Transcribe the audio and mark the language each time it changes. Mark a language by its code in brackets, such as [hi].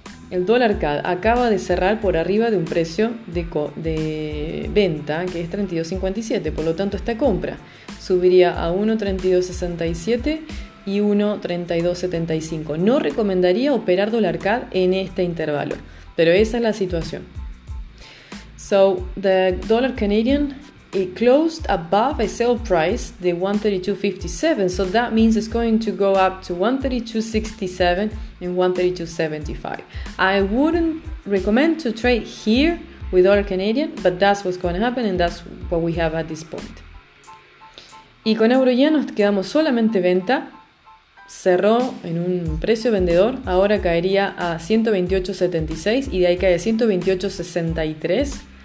[es] El dólar CAD acaba de cerrar por arriba de un precio de venta que es 32.57, por lo tanto esta compra subiría a 1.3267 y 1.3275. No recomendaría operar dólar CAD en este intervalo, pero esa es la situación. [en] So the dollar Canadian, it closed above a sell price de 1.3257, so that means it's going to go up to 1.3267 and 1.3275. I wouldn't recommend to trade here with dollar Canadian, but that's what's going to happen and that's what we have at this point. [es] Y con euro ya nos quedamos solamente venta, cerró en un precio vendedor, ahora caería a 128.76 y de ahí cae a 128.63.